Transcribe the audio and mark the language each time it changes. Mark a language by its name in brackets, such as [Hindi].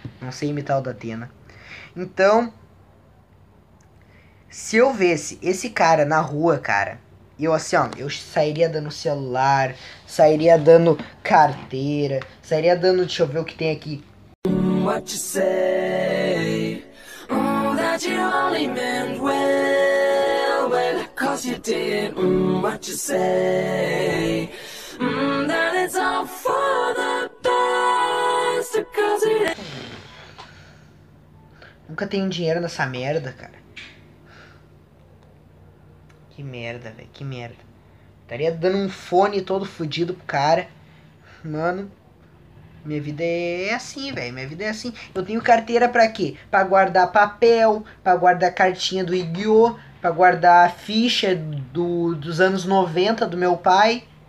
[Portuguese] Não sei imitar o Datena. Então, se eu visse esse cara na rua, cara. Eu assim, ó, eu sairia dando celular, sairia dando carteira, sairia dando, deixa eu ver o que tem aqui. [English] What to say? That you only meant well, cause you did. What to say? That it's all for the best, cause it. [Portuguese] Nunca tenho dinheiro nessa merda, cara. Que merda, velho, que merda. Estaria dando um fone todo fudido pro cara. Mano, minha vida é assim, velho. Minha vida é assim. Eu tenho carteira pra quê? Pra guardar papel, pra guardar cartinha do Yu-Gi-Oh, pra guardar ficha dos anos 90 do meu pai.